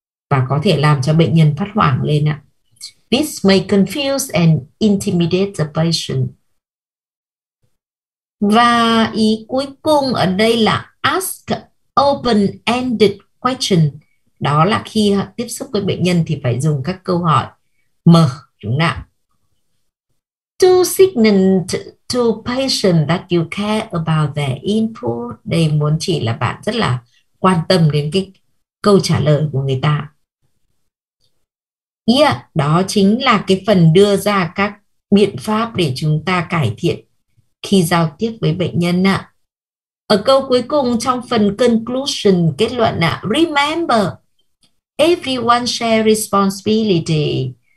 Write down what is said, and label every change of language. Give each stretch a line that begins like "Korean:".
Vietnamese: Và có thể làm cho bệnh nhân phát hoảng lên ạ.
English: This may confuse and intimidate the patient.
Vietnamese: Và ý cuối cùng ở đây là
English: ask open-ended question.
Vietnamese: Đó là khi tiếp xúc với bệnh nhân thì phải dùng các câu hỏi mở, đúng không ạ?
English: To signal to patient that you care about their input.
Vietnamese: Đây muốn chỉ là bạn rất là quan tâm đến cái câu trả lời của người ta. Yeah, đó chính là cái phần đưa ra các biện pháp để chúng ta cải thiện khi giao tiếp với bệnh nhân ạ. Ở câu cuối cùng trong phần conclusion, kết luận ạ,
English: remember, everyone share responsibility.